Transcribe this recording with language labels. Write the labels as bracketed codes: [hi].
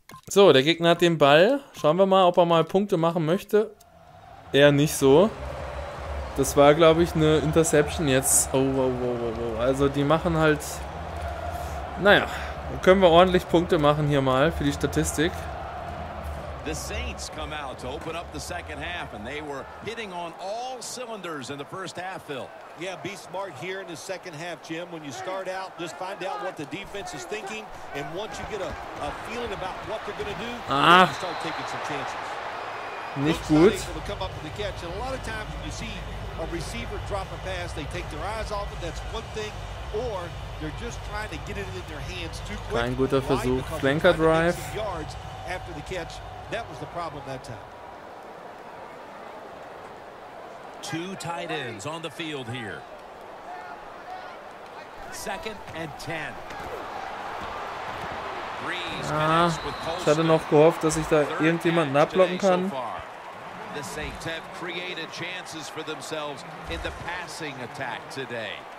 [de] So, der Gegner hat den Ball. Schauen wir mal, ob er mal Punkte machen möchte. Eher nicht so. Das war, glaube ich, eine Interception jetzt. Oh, wow, wow, wow, wow. Also, die machen halt... Naja, können wir ordentlich Punkte machen hier mal für die Statistik. [en] The Saints come out to open up the second half and they were hitting on all cylinders in the first half, Phil. Yeah, be smart here in the second half, Jim. When you start out, just find out what the defense is thinking and once you get a feeling about what they're going to do, ah, you start taking some chances. [de] Nicht gut. [en] A lot of times when you see a receiver drop a pass, they take their eyes off it, that's one thing, or they're just trying to get it in their hands too quick. [de] Kein guter Versuch. Flanker drive. [en] After the catch, that was the problem that time. Two tight ends on the field here. Second and 10. [de] Ah, ich hatte noch gehofft, dass ich da irgendjemanden abblocken kann. [en] The Saints have created chances for themselves in the passing attack today.